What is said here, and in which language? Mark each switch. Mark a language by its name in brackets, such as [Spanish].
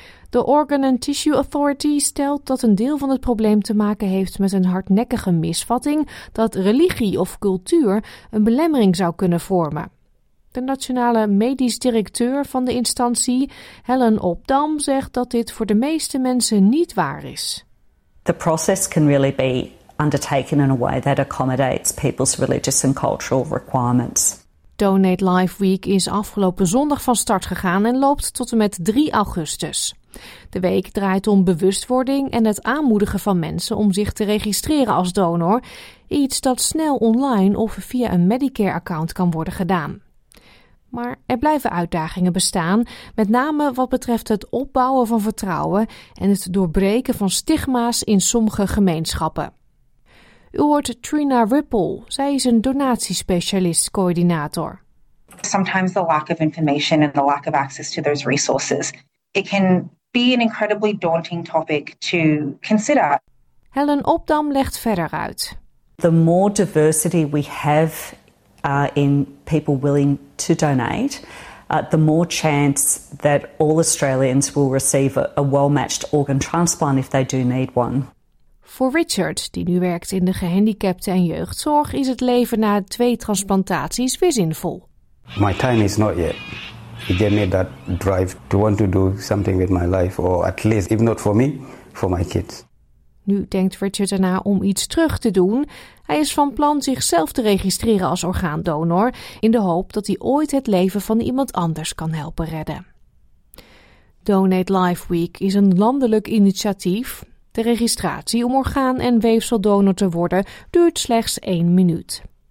[Dutch] De Organ and Tissue Authority stelt dat een deel van het probleem te maken heeft met een hardnekkige misvatting dat religie of cultuur een belemmering zou kunnen vormen. De nationale medisch directeur van de instantie, Helen Opdam, zegt dat dit voor de meeste mensen niet waar is. [English] The process can really be undertaken in a way that accommodates people's religious and cultural requirements. [Dutch] Donate Life Week is afgelopen zondag van start gegaan en loopt tot en met 3 augustus. De week draait om bewustwording en het aanmoedigen van mensen om zich te registreren als donor, iets dat snel online of via een Medicare-account kan worden gedaan. Maar er blijven uitdagingen bestaan, met name wat betreft het opbouwen van vertrouwen en het doorbreken van stigma's in sommige gemeenschappen. U hoort Trina Ripple. Zij is een donatiespecialist-coördinator. [English] Sometimes the lack of information and the lack of access to those resources, it can be an incredibly daunting topic to consider. [Dutch] Helen Opdam legt verder uit. [English] The more diversity we have in people willing to donate, the more chance that all Australians will receive a well-matched organ transplant if they do need one. [Dutch] Voor Richard, die nu werkt in de gehandicapten en jeugdzorg, is het leven na 2 transplantaties weer zinvol. [English] My time is not yet. It gave me that drive to want to do something with my life, or at least, if not for me, for my kids. [Dutch] Nu denkt Richard erna om iets terug te doen. Hij is van plan zichzelf te registreren als orgaandonor, in de hoop dat hij ooit het leven van iemand anders kan helpen redden. Donate Life Week is een landelijk initiatief. De registratie om orgaan- en weefseldonor te worden duurt slechts 1 minuut.